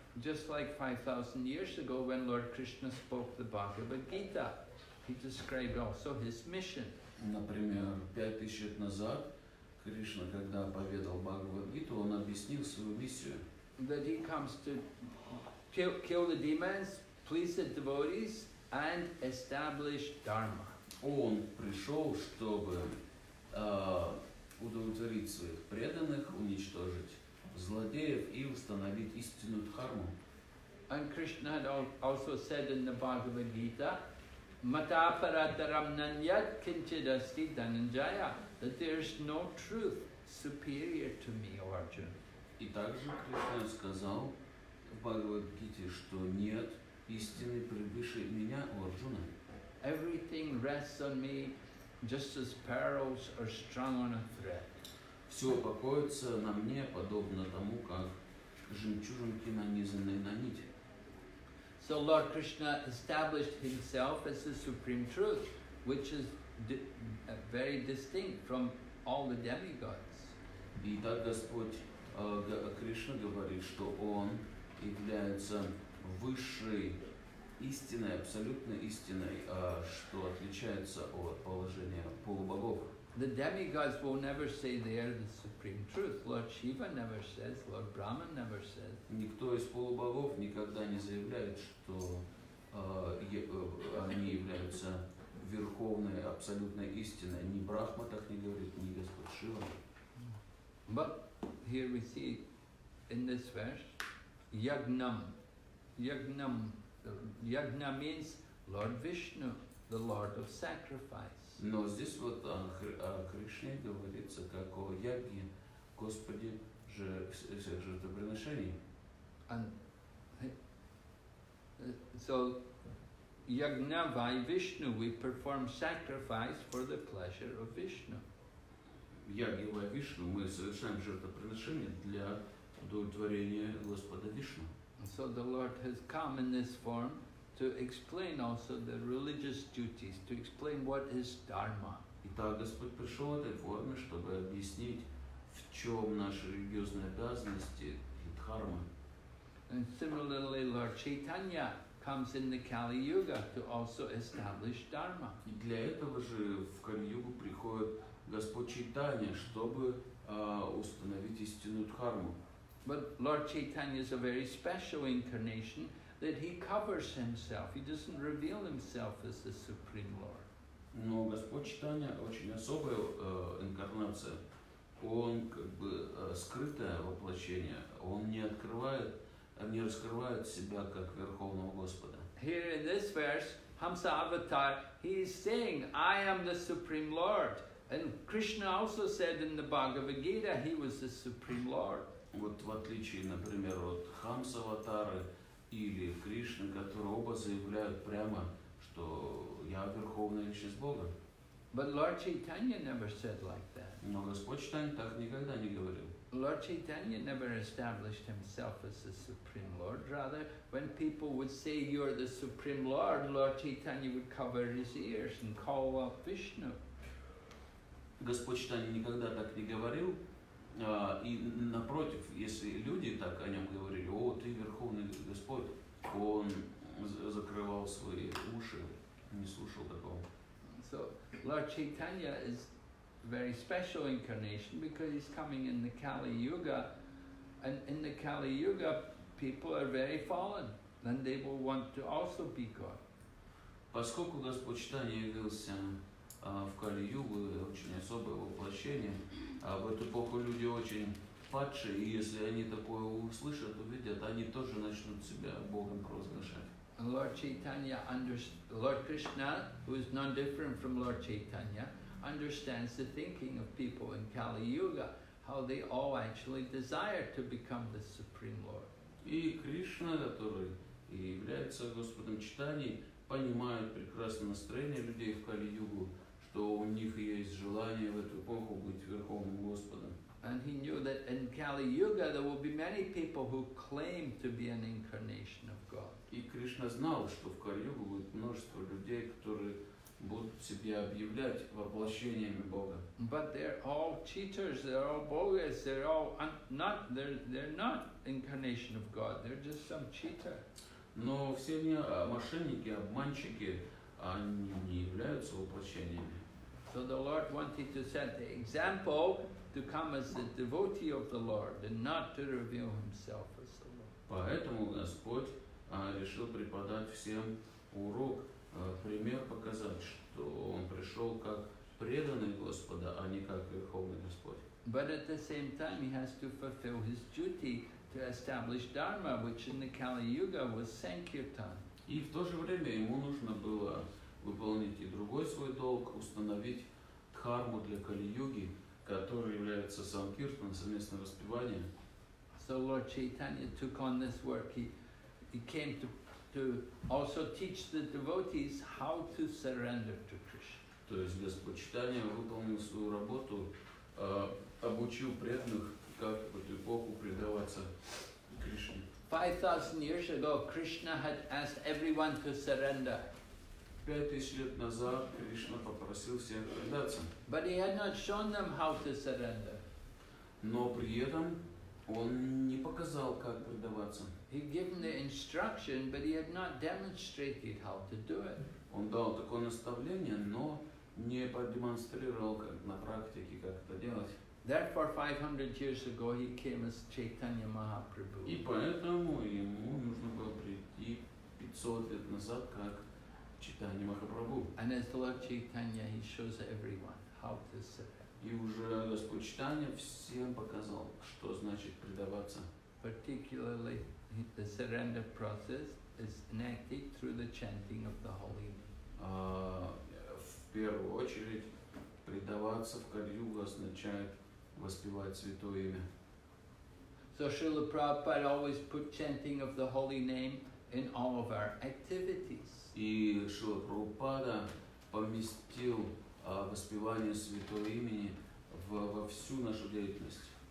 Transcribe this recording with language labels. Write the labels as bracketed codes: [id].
[en] Just like 5,000 years ago, when Lord Krishna spoke the Bhagavad Gita, he described also his mission. [ru] Например, 5,000 лет назад Кришна, когда поведал Бхагавад Гиту, он объяснил свою миссию. [en] That he comes to kill the demons, please the devotees, and establish dharma. [ru] Он пришел, чтобы удовлетворить своих преданных, уничтожить злодеев и установить истинную дхарму. [en] And Krishna had also said in the Bhagavad Gita, [sa] "Mata parataram nanyat kinchid asti dhananjaya," [en] that there is no truth superior to me, O Arjuna. [ru] И также Кришна сказал в Бхагавад Гите, что нет истины превыше меня, О Арджуна. [en] Everything rests on me, just as pearls are strung on a thread. [ru] Все покоится на мне, подобно тому, как жемчужинки, нанизанные на нити. [en] So Lord Krishna established himself as the supreme truth, which is very distinct from all the demigods. [ru] И так Господь Кришна говорит, что он является высшей истиной, абсолютной истиной, что отличается от положения полубогов. [en] The demigods will never say they are the supreme truth. Lord Shiva never says, Lord Brahma never says. [ru] Никто из полубогов никогда не заявляет, что они являются верховной, абсолютной истиной. Ни Брахма так не говорит, ни Господь Шива. [en] But here we see in this verse, Yagnam. Yagnam. Yagna means Lord Vishnu, the Lord of Sacrifice. [ru] Но здесь вот о Кришне говорится, как о Яге, Господе же всех жертвоприношений. [en] And, so, [sa] Yagnavai Vishnu, [en] we perform sacrifice for the pleasure of Vishnu. [sa] Ягивай Вишну, [ru] мы совершаем жертвоприношение для удовлетворения Господа Вишну. [en] So the Lord has come in this form to explain also the religious duties, to explain what is dharma. [ru] Итак, Господь пришел в этой форме, чтобы объяснить, в чем наши религиозные обязанности и дхарма. [en] And similarly, Lord Chaitanya comes in the Kali Yuga to also establish dharma. [ru] И для этого же в Кали-Югу приходит Господь Чайтанья, чтобы установить истинную дхарму. [en] But Lord Chaitanya is a very special incarnation, that he covers himself, he doesn't reveal himself as the Supreme Lord. [ru] Но Господь Чайтанья очень особая инкарнация. Он как бы скрытое воплощение. Он не раскрывает себя как Верховного Господа. [en] Here in this verse, Hamsa Avatar, he is saying, I am the Supreme Lord. And Krishna also said in the Bhagavad Gita, he was the Supreme Lord. [ru] Вот в отличие, например, от Хамса Аватары, или Кришна, которые оба заявляют прямо, что я верховная личность Бога. [en] But Lord Chaitanya never said like that. [ru] Но Господь Чайтанья так никогда не говорил. [en] Lord Chaitanya never established himself as the Supreme Lord. Rather, when people would say, you're the Supreme Lord, Lord Chaitanya would cover his ears and call up Vishnu. [ru] Господь Чайтанья никогда так не говорил. И напротив, если люди так о нем говорили, о, ты Верховный Господь, он закрывал свои уши, не слушал такого. [en] So, Lord Chaitanya is very special incarnation because he's coming in the Kali Yuga, and in the Kali Yuga people are very fallen and they will want to also be God. [ru] Поскольку Господь Чайтанья явился в Кали Югу, очень особое воплощение, в эту эпоху люди очень падшие, и если они такое услышат, увидят, они тоже начнут себя Богом провозглашать. [en] Lord Chaitanya Lord Krishna, who is not different from Lord Chaitanya, understands the thinking of people in Kali Yuga, how they all actually desire to become the Supreme Lord. [ru] И Кришна, который и является Господом Чайтаньи, понимает прекрасное настроение людей в Кали Югу, что у них есть желание в эту эпоху быть Верховным Господом. [en] And he knew that in Kali Yuga there will be many people who claim to be an incarnation of God. [ru] И Кришна знал, что в Кали Югу будет множество людей, которые будут себя объявлять воплощениями Бога. [en] But they're all cheaters, they're all bogus, they're all not, they're not incarnation of God, they're just some cheater. [ru] Но все они мошенники, обманщики, они не являются воплощениями. [en] So the Lord wanted to set the example to come as the devotee of the Lord and not to reveal himself as the Lord. [ru] Поэтому Господь решил преподать всем урок, пример показать, что он пришел как преданный Господа, а не как Верховный Господь. [en] But at the same time he has to fulfill his duty to establish Dharma, which in the Kali Yuga was Sankirtan. [ru] И в то же время ему нужно было выполнить и другой свой долг, установить дхарму для Кали-Юги, который является Санкиртан, совместное воспевание. [en] So Lord Chaitanya took on this work. He came to also teach the devotees how to surrender to Krishna. [ru] То есть Господь Чайтанья выполнил свою работу, обучил преданных, как в эту эпоху предаваться Кришне. [en] 5,000 years ago, Krishna had asked everyone to surrender. [ru] 5,000 лет назад Кришна попросил всех предаться. [en] But he had not shown them how to surrender. [ru] Но при этом он не показал, как предаваться. [en] He'd given the instruction, but he had not demonstrated how to do it. [ru] Он дал такое наставление, но не продемонстрировал как на практике, как это делать. [en] Therefore, 500 years ago, he came as Chaitanya Mahaprabhu. [ru] И поэтому ему нужно было прийти 500 лет назад, как Чайтанья Махапрабху. [en] And as Lord Chaitanya, he shows everyone how to serve. [ru] И уже Господь Чайтанья всем показал, что значит предаваться. [en] Particularly, the surrender process is enacted through the chanting of the holy name. [ru] В первую очередь, предаваться в Кали-Югу означает воспевать святое имя. [en] So Srila Prabhupada always put chanting of the holy name in all of our activities. [ru] И Шрила Прабхупада поместил воспевание святого имени во всю нашу деятельность.